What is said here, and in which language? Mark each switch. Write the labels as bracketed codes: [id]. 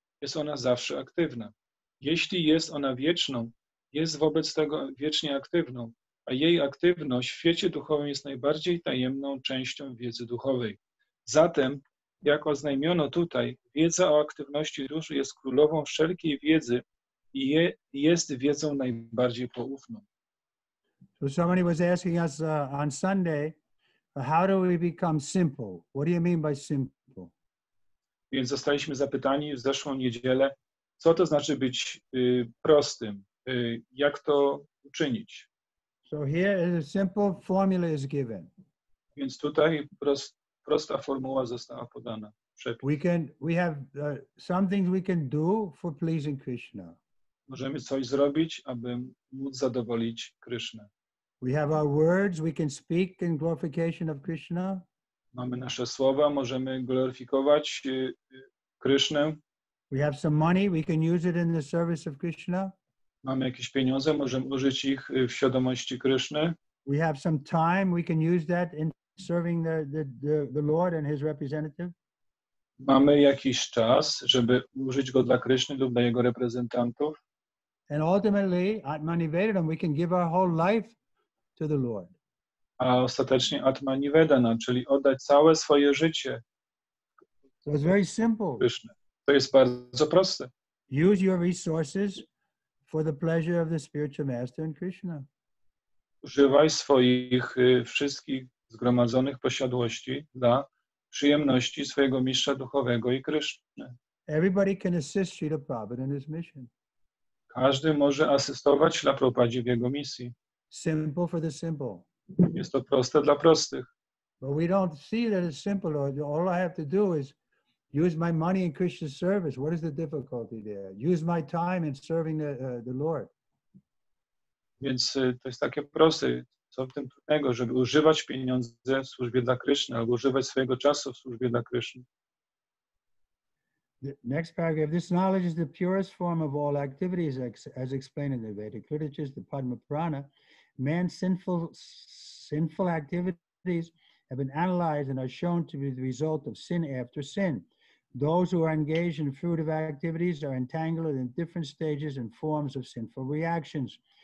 [pl] Jest ona zawsze aktywna. Jeśli jest ona wieczną, jest wobec tego wiecznie aktywną, a jej aktywność w świecie duchowym jest najbardziej tajemną częścią wiedzy duchowej. Zatem, jak oznajmiono tutaj, wiedza o aktywności duszy jest królową wszelkiej wiedzy i jest wiedzą najbardziej poufną. [en] So somebody was asking us on Sunday, how do we become simple? What do you mean by simple? [pl] Więc zostaliśmy zapytani w zeszłą niedzielę, co to znaczy być prostym, jak to uczynić. [en] So here is a simple formula is given. [pl] Więc tutaj prosta formuła została podana. [en] We have some things we can do for pleasing Krishna. [pl] Możemy coś zrobić, aby móc zadowolić Krishna. [en] We have our words, we can speak in glorification of Krishna. [pl] Mamy nasze słowa, możemy gloryfikować Krishnę. [en] We have some money, we can use it in the service of Krishna. [pl] Mamy jakieś pieniądze, możemy użyć ich w świadomości Krishny. [en] We have some time, we can use that in serving the Lord and his representative. [pl] Mamy jakiś czas, żeby użyć go dla Krishny lub dla jego reprezentantów. [en] And ultimately, Atmanivedanam, we can give our whole life to the Lord. [pl] A ostatecznie Atmanivedana, czyli oddać całe swoje życie. [en] So it's very simple. [pl] Krishna. To jest bardzo proste. [en] Use your resources for the pleasure of the spiritual master and Krishna. [pl] Używaj swoich wszystkich zgromadzonych posiadłości dla przyjemności swojego mistrza duchowego i Krishna. [en] Everybody can assist Śrīla Prabhupāda in his mission. [pl] Każdy może asystować Śrīla Prabhupādzie w jego misji. [en] Simple for the simple. [pl] Jest to proste dla prostych. [en] But we don't see that it's simple. All I have to do is use my money in Krishna's service. What is the difficulty there? Use my time in serving the Lord. [pl] Więc to jest takie proste. Co w tym trudnego, żeby używać pieniądze w służbie dla Krishna albo używać swojego czasu w służbie dla Krishna. [en] Next paragraph. This knowledge is the purest form of all activities as explained in the Vedic literatures, the Padma Purana. Man's sinful activities have been analyzed and are shown to be the result of sin after sin. Those who are engaged in fruitive activities are entangled in different stages and forms of sinful reactions.